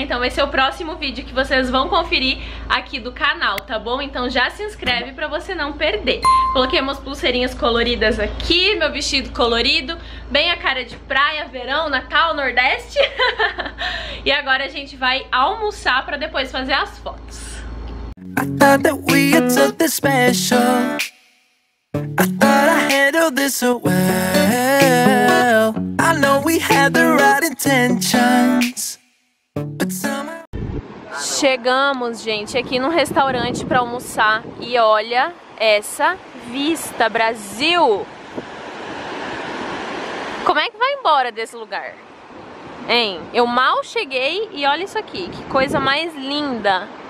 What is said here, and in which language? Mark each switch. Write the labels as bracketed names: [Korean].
[Portuguese] Então vai ser o próximo vídeo que vocês vão conferir aqui do canal, tá bom? Então já se inscreve pra você não perder. Coloquei umas pulseirinhas coloridas aqui, meu vestido colorido, bem a cara de praia, verão, Natal, Nordeste. E agora a gente vai almoçar pra depois fazer as fotos. [English] I thought that we had something special. I thought I handled this so well. I know we had the right intentions. [Portuguese] Chegamos, gente, aqui no restaurante pra almoçar. E olha essa vista, Brasil! Como é que vai embora desse lugar? Hein? Eu mal cheguei e olha isso aqui, que coisa mais linda!